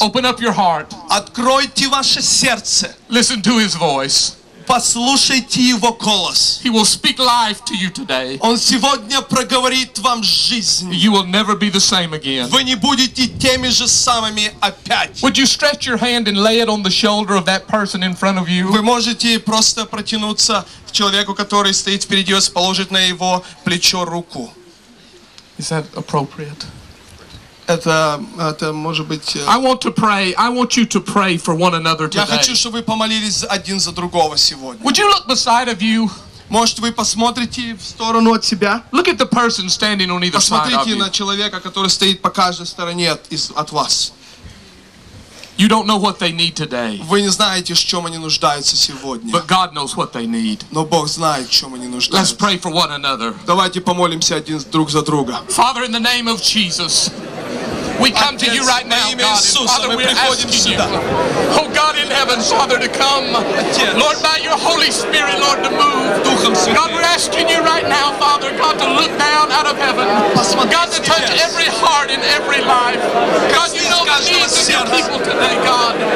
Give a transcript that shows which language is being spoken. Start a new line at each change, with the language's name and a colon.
English: Open up your heart.
Russian: Откройте ваше сердце.
English: Listen to his voice.
Russian: Послушайте его голос.
English: He will speak life to you today.
Russian: Он сегодня проговорит вам жизнь.
English: You will never be the same again.
Russian: Вы не будете теми же самыми опять.
English: Would you stretch your hand and lay it on the shoulder of that person in front of you?
Russian: Вы можете просто протянуться к человеку, который стоит впереди вас, положить на его плечо руку.
English: Is that appropriate?
Russian: Это может быть.
English: I want to pray. I want you to pray for one another today.
Russian: Я хочу, чтобы вы помолились один за другого сегодня.
English: Would you look beside of you?
Russian: Может, вы посмотрите в сторону от себя?
English: Look at the person standing on either
Russian: посмотрите
English: side of you.
Russian: Посмотрите на человека, который стоит по каждой стороне от вас.
English: You don't know what they need today.
Russian: Вы не знаете, в чем они нуждаются сегодня.
English: But God knows what they need.
Russian: Но Бог знает, в чем они нуждаются.
English: Let's pray for one another.
Russian: Давайте помолимся один друг за друга.
English: Father, in the name of Jesus. We come to you right now, God, and Father, we're asking you, oh God in heaven, Father, to come, Lord, by your Holy Spirit, Lord, to move. God, we're asking you right now, Father, God, to look down out of heaven. God, to touch every heart and every life. God, you know the needs of your people today, God.